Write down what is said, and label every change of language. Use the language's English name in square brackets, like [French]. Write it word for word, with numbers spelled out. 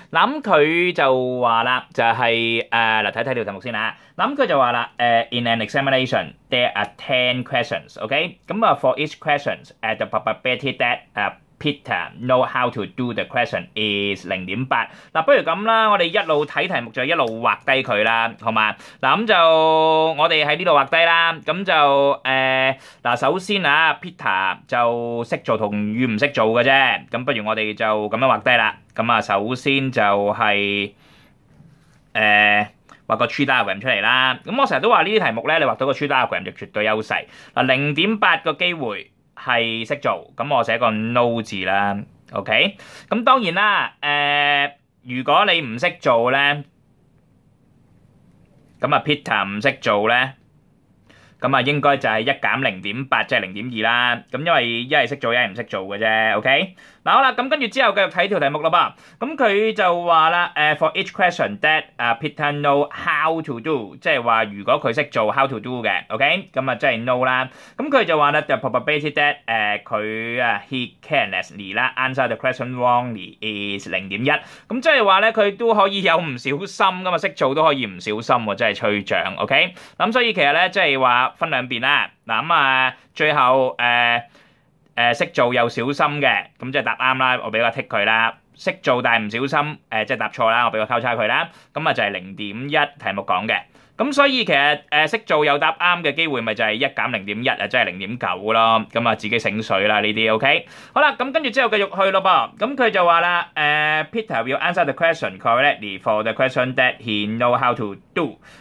[Cantonese] 嗱，咁佢就話啦，就係誒嗱，睇睇條題目先啦。嗱，咁佢就話啦，誒 [English] In an examination, there are ten questions. OK， [Cantonese] 咁啊 [English] ，for each questions, at the probability that 誒。 Peter know how to do the question is 零點八。 [Cantonese] 嗱，不如咁啦，我哋一路睇題目就一路畫低佢啦，好嘛？嗱，咁就我哋喺呢度畫低啦。咁就誒嗱、呃，首先啊 ，Peter 就識做同與唔識做嘅啫。咁不如我哋就咁樣畫低啦。咁啊，首先就係、是、誒。呃畫個 tree diagram 出嚟啦。咁我成日都話呢啲題目咧，你畫到個 tree diagram 就絕對優勢。嗱，零點八個機會係識做，咁我寫個 no 字啦。 OK， 咁當然啦，誒、呃，如果你唔識做咧，咁啊 Peter 唔識做咧，咁啊應該就係一減零點八，即係零點二啦。咁因為一係識做，一係唔識做嘅啫。OK。 嗱好啦，咁跟住之後繼續睇條題目啦噃。咁佢就話啦，誒 [English] for each question that [Cantonese] 啊 [English] Peter know how to do， [Cantonese] 即係話如果佢識做 how to do 嘅 ，OK， 咁啊即係 know 啦。咁佢就話咧，就 [English] probability that [Cantonese] 誒佢啊 [English] he carelessly [Cantonese] 啦 [English] answer the question wrongly is [Cantonese] 零點一。咁即係話咧，佢都可以有唔小心噶嘛，識做都可以唔小心喎，真係吹漲 ，OK。咁所以其實咧，即係話分兩邊啦。嗱咁啊，最後誒。呃誒識做又小心嘅，咁即係答啱啦，我俾個剔佢啦。識做但係唔小心，誒即係答錯啦，我俾個交叉佢啦。咁啊就係零點一題目講嘅，咁所以其實誒識做又答啱嘅機會咪就係一減零點一啊，即係零點九咯。咁啊自己醒水啦呢啲 ，OK。好啦，咁跟住之後繼續去咯噃。咁佢就話啦，誒 [English] Peter will answer the question correctly for the question that he know how to do。